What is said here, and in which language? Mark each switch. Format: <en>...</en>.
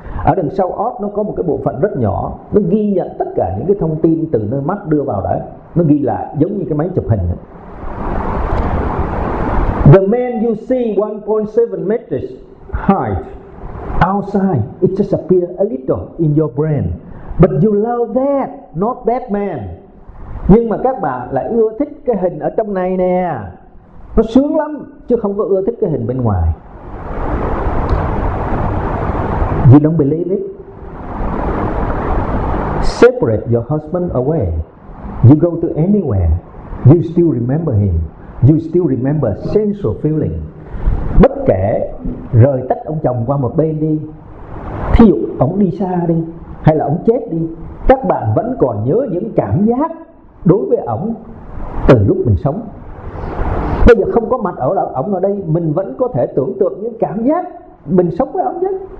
<vi>Ở đằng sau óc nó có một cái bộ phận rất nhỏ, nó ghi nhận tất cả những cái thông tin từ nơi mắt đưa vào đấy. Nó ghi lại giống như cái máy chụp hình.</vi> <en>The man you see 1.7 meters height outside, it just appear a little in your brain. But you love that, not that man.</en> <vi>Nhưng mà các bạn lại ưa thích cái hình ở trong này nè. Nó sướng lắm, chứ không có ưa thích cái hình bên ngoài.</vi> <en>You don't believe it? Separate your husband away. You go to anywhere, you still remember him. You still remember sensual feeling.</en> <vi>Bất kể rời tách ông chồng qua một bên đi, thí dụ ông đi xa đi, hay là ông chết đi, các bạn vẫn còn nhớ những cảm giác đối với ông từ lúc mình sống. Bây giờ không có mặt ở ổng ở đây, mình vẫn có thể tưởng tượng những cảm giác mình sống với ổng chứ.</vi>